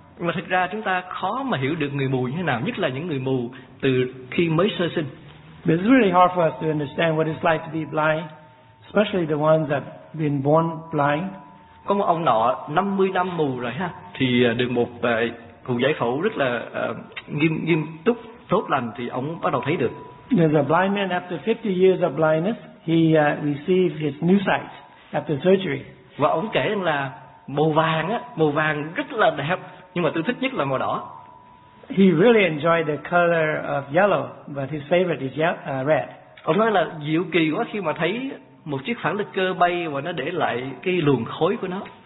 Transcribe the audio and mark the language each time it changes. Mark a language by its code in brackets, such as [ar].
[vi] Nhưng mà thực ra chúng ta khó mà hiểu được người mù như thế nào, nhất là những người mù từ khi mới sơ sinh. [en] But it's really hard for us to understand what it's like to be blind, especially the ones that have been born blind. [vi] Có một ông nọ 50 năm mù rồi ha, thì được một cuộc giải phẫu rất là nghiêm túc tốt lành thì ông bắt đầu thấy được. [en] There's a blind man after 50 years of blindness. He received his new sight after surgery. [vi] Và ông kể rằng là màu vàng á, màu vàng rất là đẹp, nhưng mà tôi thích nhất là màu đỏ. [en] He really enjoyed the color of yellow, but his favorite is red. [vi] Ông nói là diệu kỳ quá khi mà thấy một chiếc phản lực cơ bay và nó để lại cái luồng khói của nó.